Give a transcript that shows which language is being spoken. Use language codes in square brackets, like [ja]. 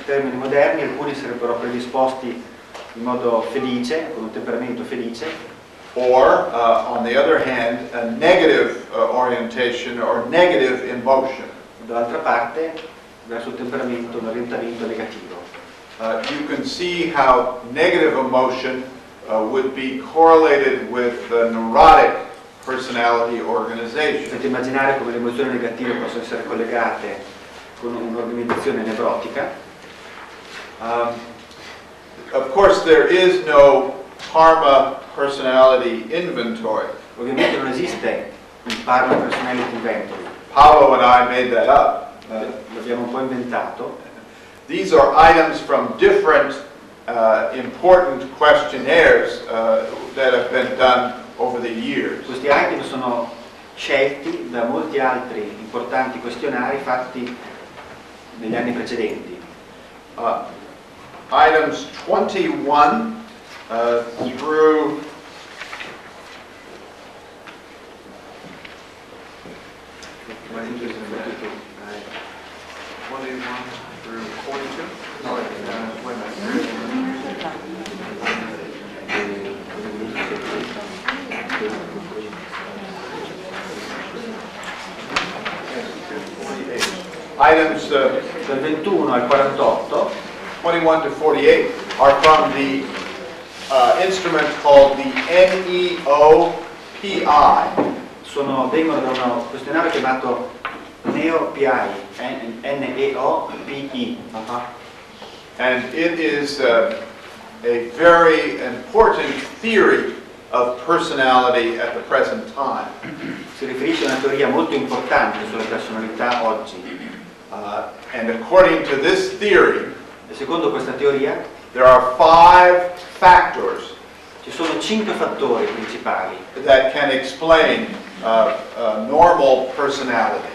[it] In termini moderni, alcuni sarebbero predisposti in modo felice, con un temperamento felice. [en] Or, on the other hand, a negative orientation or negative emotion. [it] Dall'altra parte, verso un temperamento, un orientamento negativo. [en] You can see how negative emotion would be correlated with the neurotic personality organization. [it] Potete immaginare come le emozioni negative possono essere collegate con un'organizzazione nevrotica. [en] Of course, there is no Parma personality inventory. [it] Ovviamente non esiste un Parma personality inventory. [en] Paolo and I made that up. [it] l'abbiamo un po' inventato. [en] These are items from different important questionnaires that have been done over the years. Questi item sono scelti da molti altri importanti questionari fatti negli anni precedenti. Items 21 through 21 to 48 are from the instrument called the NEOPI. [it] Sono vengono da un questionario chiamato NEOPI, N-E-O-P-I. [en] And it is a very important theory of personality at the present time. [it] Si riferisce a una teoria molto importante sulla personalità oggi. [en] And according to this theory, [it] e secondo questa teoria, [en] there are five factors. [it] Ci sono cinque fattori principali [en] that can explain normal personality.